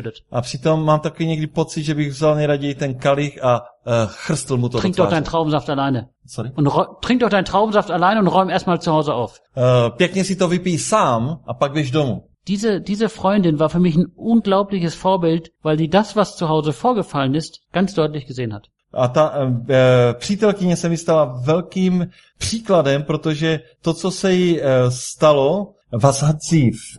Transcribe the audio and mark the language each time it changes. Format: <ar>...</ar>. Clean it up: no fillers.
<cs>A přitom mám taky někdy pocit, že bych vzal nejraději ten kalich a chrstl mu to.</cs> <de>Trink doch deinen Traubensaft alleine.</de> <en>Sorry?</en> <de>Trink doch deinen Traubensaft alleine und räum erstmal zu Hause auf.</de> <cs>Pěkně si to vypij sám a pak běž domů.</cs> <de>Diese Freundin war für mich ein unglaubliches Vorbild, weil sie das, was zu Hause vorgefallen ist, ganz deutlich gesehen hat.</de> <cs>A ta přítelkyně se mi stala velkým příkladem, protože to, co se jí stalo,</cs> <de>was hat sie?</de>